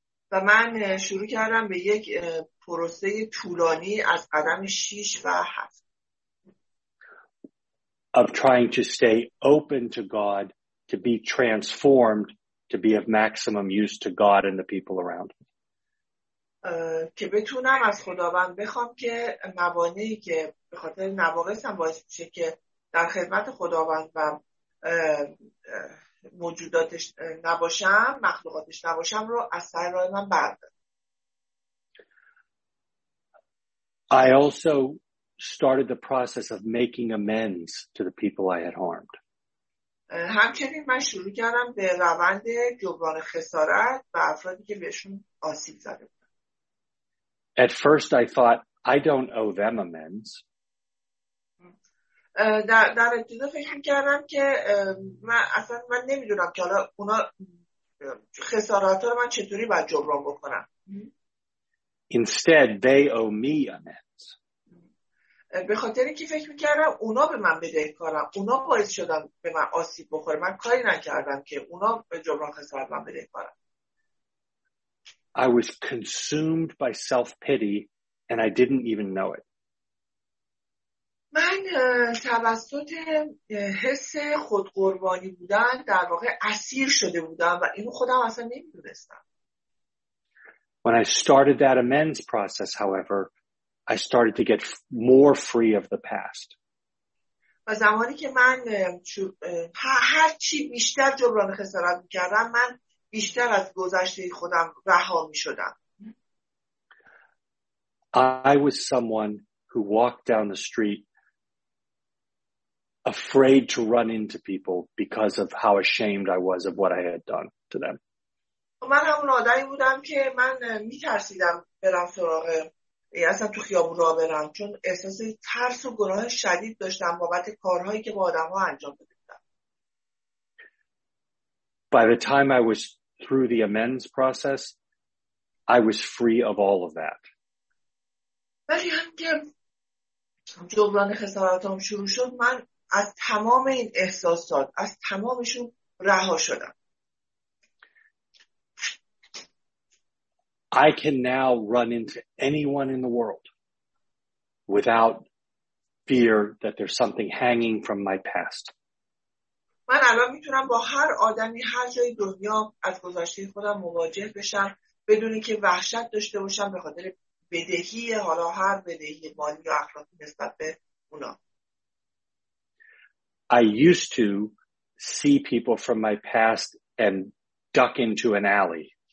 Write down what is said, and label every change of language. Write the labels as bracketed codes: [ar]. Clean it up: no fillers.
[fa] و من شروع کردم به یک پروسه طولانی از قدم 6 و 7. [en] Of trying to stay open to God, to be transformed, to be of maximum use to God and the people around. [fa] که بتونم از خداوند بخوام که موانعی که به خاطر نواقصم باعث میشه که در خدمت خداوند و موجوداتش نباشم, مخلوقاتش نباشم رو از سر راه من بردارم. [en] I also started the process of making amends to the people I had harmed. [fa] همچنین من شروع کردم به روند جبران خسارت و افرادی که بهشون آسیب زده. [en] At first I thought I don't owe them amends. [fa] در ابتدا فکر کردم که من اصلا من نمیدونم که حالا اونا خسارات رو من چطوری باید جبران بکنم. [en] Instead they owe me amends. [fa] به خاطر اینکه فکر می‌کردم اونا به من بدهکارن, اونا باعث شدن به من آسیب بخوره, من کاری نکردم که اونا به جبران خسارت من بدهکارن. [en] I was consumed by self-pity and I didn't even know it. [fa] من توسط حس خودقربانی بودن در واقع اسیر شده بودم و اینو خودم اصلا نمی‌دونستم. [en] When I started that amends process, however, I started to get more free of the past. [fa] و زمانی که من هر چی بیشتر جبران خسارت می‌کردم, من بیشتر از گذشته خودم رها می شدم. [en] I was someone who walked down the street afraid to run into people because of how ashamed I was of what I had done to them. [fa] من همون آدمی بودم که من می ترسیدم برم سراغ اصلا تو خیابون راه برم, چون احساس ترس و گناه شدید داشتم بابت کارهایی که با آدم ها انجام بده. [en] By the time I was through the amends process, I was free of all of that. [fa] ولی هم که جبران خسارتام شروع شد, من از تمام این احساسات, از تمامشون رها شدم. [en] I can now run into anyone in the world without fear that there's something hanging from my past. [fa] من الان میتونم با هر آدمی هر جای دنیا از گذشته خودم مواجه بشم بدون اینکه وحشت داشته باشم به خاطر بدهی، حالا هر بدهی مالی یا اخلاقی نسبت به اونا. [en] I used to see people from my past and duck into an alley.